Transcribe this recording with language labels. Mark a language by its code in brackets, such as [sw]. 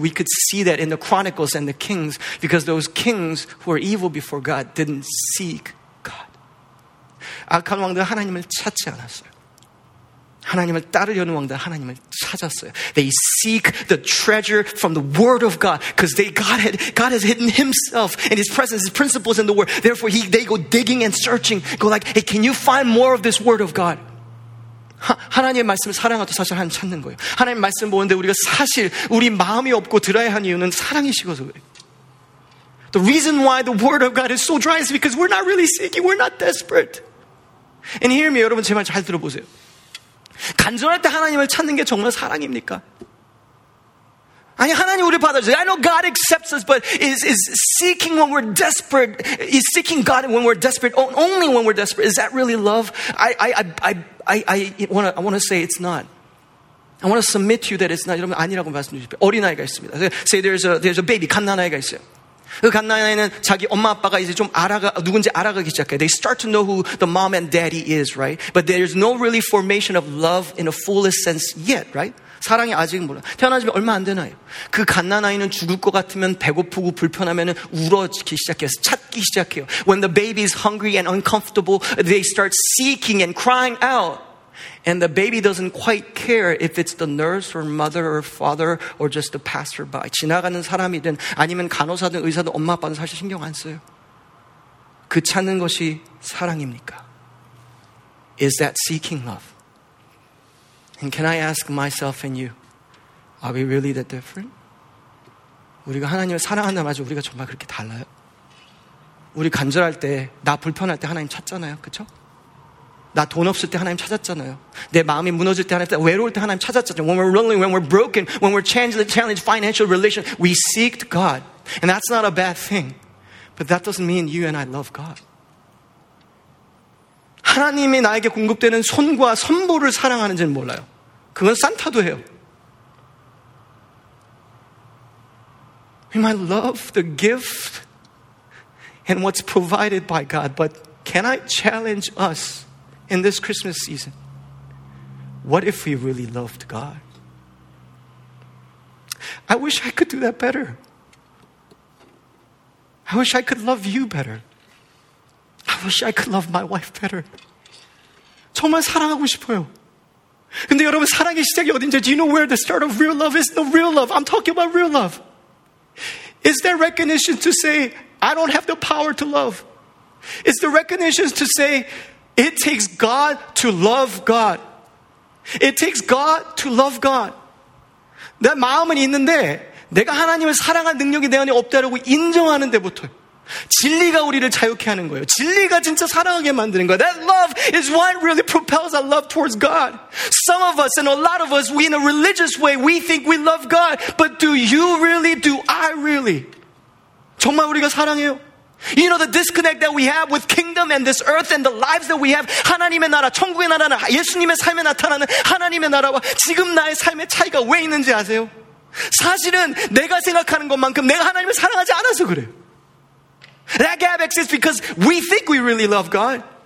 [en] We could see that in the Chronicles and the Kings because those kings who were evil before God didn't seek God. [ko] 악한 왕들 하나님을 찾지 않았어요. 하나님을 따르려는 왕들 하나님을 찾았어요. [en] They seek the treasure from the word of God because God has hidden himself and his presence, his principles in the word. Therefore, they go digging and searching. Go like, hey, can you find more of this word of God? [ko] 하나님의 말씀을 사랑하도 사실 하나님 찾는 거예요. 하나님 말씀 보는데 우리가 사실 우리 마음이 없고 들어야 한 이유는 사랑이시고서 그래요. [en] The reason why the word of God is so dry is because we're not really seeking. We're not desperate. And hear me, [ko] 여러분 제 말 잘 들어보세요. 간절할 때 하나님을 찾는 게 정말 사랑입니까? 아니 하나님 우리 받아주세요. [en] I know God accepts us, but is seeking when we're desperate? Is seeking God when we're desperate? Only when we're desperate? Is that really love? I want to say it's not. I want to submit to you that it's not. [ko] 여러분 아니라고 말씀드리죠. 어린 아이가 있습니다. [en] Say there's a baby. [ko] 갓난 아이가 있어요. 그 갓난아이는 자기 엄마 아빠가 이제 좀 누군지 알아가기 시작해요. [en] They start to know who the mom and daddy is, right? But there's no really formation of love in a fullest sense yet, right? [ko] 사랑이 아직 몰라. 태어나지 얼마 안 되나요? 그 갓난아이는 죽을 것 같으면 배고프고 불편하면은 울어지기 시작해요. 찾기 시작해요. [en] When the baby is hungry and uncomfortable, they start seeking and crying out. And the baby doesn't quite care if it's the nurse or mother or father or just the passerby. [ko] 지나가는 사람이든 아니면 간호사든 의사든 엄마 아빠는 사실 신경 안 써요. 그 찾는 것이 사랑입니까? [en] Is that seeking love? And can I ask myself and you, are we really that different? [ko] 우리가 하나님을 사랑한다 마저 우리가 정말 그렇게 달라요? 우리 간절할 때, 나 불편할 때 하나님 찾잖아요. 그쵸? 나 돈 없을 때 하나님 찾았잖아요. 내 마음이 무너질 때 하나님 외로울 때 하나님 찾았잖아요. [en] When we're lonely, when we're broken, when we're challenged financial relation, we seek God. And that's not a bad thing. But that doesn't mean you and I love God. [ko] 하나님이 나에게 공급되는 손과 선물을 사랑하는지는 몰라요. 그건 산타도 해요. [en] We might love the gift and what's provided by God, but can I challenge us in this Christmas season? What if we really loved God? I wish I could do that better. I wish I could love you better. I wish I could love my wife better. [ko] 정말 사랑하고 싶어요. 근데 여러분, 사랑의 시작이 어딘지, [en] do you know where the start of real love is? The real love. I'm talking about real love. Is there recognition to say, I don't have the power to love? Is there recognition to say, it takes God to love God? It takes God to love God. [ko] 내 마음은 있는데, 내가 하나님을 사랑할 능력이 내 안에 없다라고 인정하는 데부터요. 진리가 우리를 자유케 하는 거예요. 진리가 진짜 사랑하게 만드는 거예요. [en] That love is what really propels our love towards God. Some of us and a lot of us, we in a religious way, we think we love God. But do you really? Do I really? [ko] 정말 우리가 사랑해요? [en] You know the disconnect that we have with kingdom and this earth and the lives that we have. [ko] 하나님의 나라, 천국의 나라는 예수님의 삶에 나타나는 하나님의 나라와 지금 나의 삶의 차이가 왜 있는지 아세요? 사실은 내가 생각하는 것만큼 내가 하나님을 사랑하지 않아서 그래요. [en] That gap exists because we think we really love God.